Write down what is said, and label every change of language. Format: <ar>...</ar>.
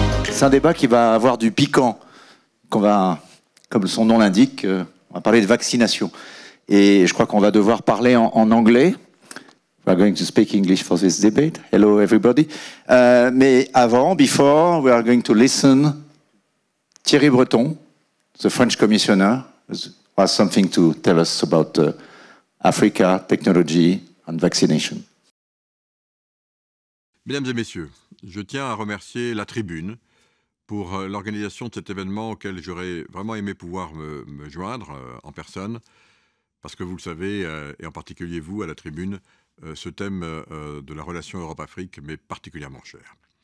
<fr>C'est un débat qui va avoir du piquant, qu'on va, comme son nom l'indique, on va parler de vaccination. Et je crois qu'on va devoir parler en anglais.</fr> <en>We are going to speak English for this debate. Hello everybody.</en> <fr>Mais avant,</fr> <en>before, we are going to listen Thierry Breton, the French commissioner, who has something to tell us about Africa, technology and vaccination.</en> <fr>Mesdames et messieurs, je tiens à remercier la Tribune pour l'organisation de cet événement auquel j'aurais vraiment aimé pouvoir me joindre en personne, parce que vous le savez, et en particulier vous à la Tribune, ce thème de la relation Europe-Afrique m'est particulièrement cher.</fr>